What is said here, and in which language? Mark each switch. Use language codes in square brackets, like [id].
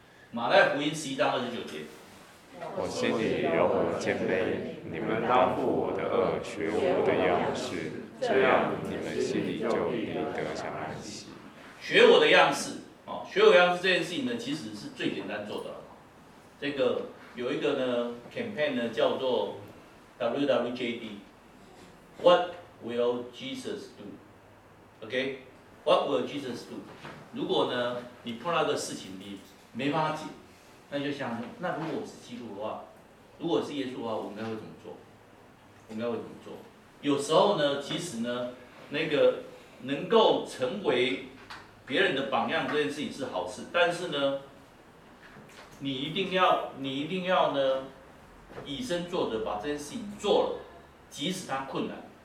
[zh] 马太福音11:29，我心里柔和谦卑，你们当负我的轭，学我的样式，这样你们心里就必得享安息。学我的样式，学我的样式这件事情呢，其实是最简单做的。这个有一个呢 campaign 呢叫做 WWJD， [en] What will Jesus do？ OK， What will Jesus do？ [zh] 如果呢你碰到个事情你没办法解，那就想，那如果我是基督的话，如果是耶稣的话，我应该会怎么做？我应该会怎么做？有时候呢，其实呢，那个能够成为别人的榜样这件事情是好事，但是呢，你一定要呢，以身作则把这件事情做了，即使它困难。